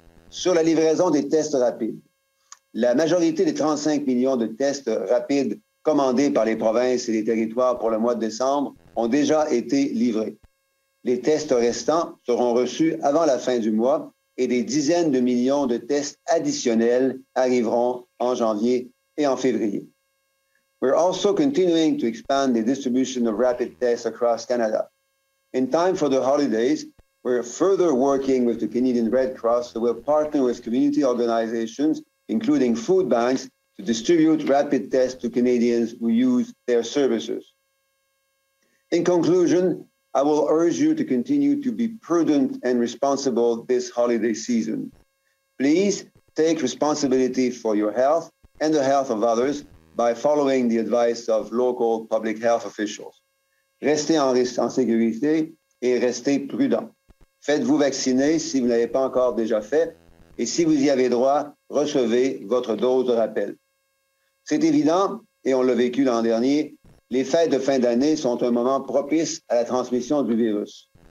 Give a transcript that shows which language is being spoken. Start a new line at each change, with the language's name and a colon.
French: Sur la livraison des tests rapides, la majorité des 35 millions de tests rapides commandés par les provinces et les territoires pour le mois de décembre ont déjà été livrés. Les tests restants seront reçus avant la fin du mois et des dizaines de millions de tests additionnels arriveront en janvier et en février.
English: We're also continuing to expand the distribution of rapid tests across Canada. In time for the holidays, we're further working with the Canadian Red Cross who will partner with community organizations, including food banks, to distribute rapid tests to Canadians who use their services. In conclusion, I will urge you to continue to be prudent and responsible this holiday season. Please take responsibility for your health and the health of others by following the advice of local public health officials.
French: Restez en sécurité et restez prudent. Faites-vous vacciner si vous n'avez pas encore déjà fait, et si vous y avez droit, recevez votre dose de rappel. C'est évident, et on l'a vécu l'an dernier, les fêtes de fin d'année sont un moment propice à la transmission du virus.